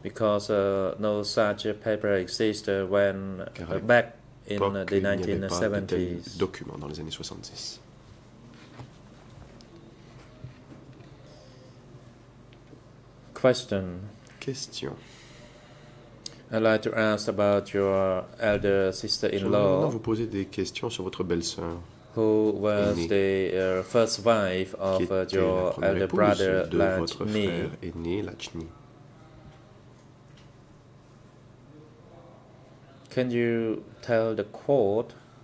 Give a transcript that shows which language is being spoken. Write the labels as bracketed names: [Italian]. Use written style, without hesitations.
[English] Because no such paper existed when back in the 1970s. [French] Document dans les années 70. [English] Question. I'd like to ask about your elder sister-in-law. [French] J'aimerais vous poser des questions sur votre belle-sœur. [English] Who was the first wife of your elder brother, Lachni? [French] Aîné, Lachni. [English] Can you tell the court?